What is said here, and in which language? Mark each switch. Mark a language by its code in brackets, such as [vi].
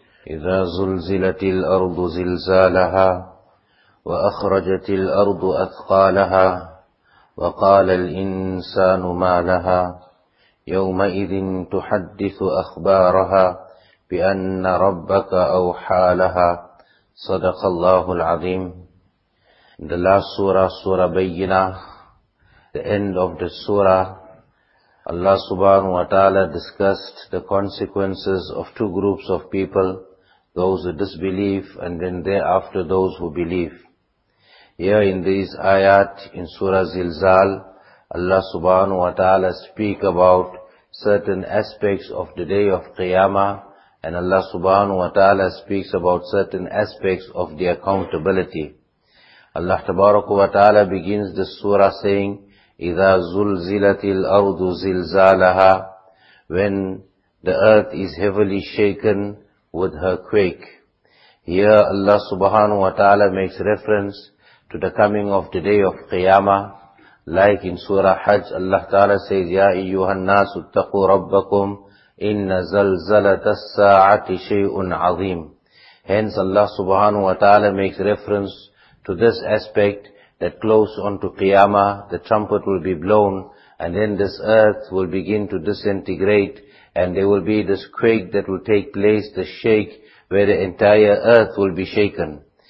[ar] إذا زلزلت الأرض زلزالها وأخرجت الأرض أثقالها وقال الإنسان ما لها يومئذ تحدث أخبارها بأن ربك أوحى لها صدق الله العظيم. [en] The last surah, surah Bayyinah, the end of the surah, Allah subhanahu wa ta'ala discussed the consequences of two groups of people, those who disbelieve and then thereafter those who believe. Here in these ayat in Surah Zilzal, Allah subhanahu wa ta'ala speak about certain aspects of the day of Qiyamah, and Allah subhanahu wa ta'ala speaks about certain aspects of the accountability. Allah tabaraka wa ta'ala begins the surah saying, [ar] إِذَا زُلْزِلَتِ الْأَرْضُ زِلْزَالَهَا, [en] when the earth is heavily shaken with her quake. Here Allah subhanahu wa ta'ala makes reference to the coming of the day of Qiyamah. Like in Surah Hajj, Allah ta'ala says, [ar] يَا أَيُّهَا النَّاسُ اتَّقُوا رَبَّكُمْ إِنَّ زَلْزَلَةَ السَّاعَةِ شَيْءٌ عَظِيمٌ. [en] Hence Allah subhanahu wa ta'ala makes reference to this aspect, that close on to Qiyamah, the trumpet will be blown, and then this earth will begin to disintegrate, and there will be this quake that will take place, the shake, where the entire earth will be shaken.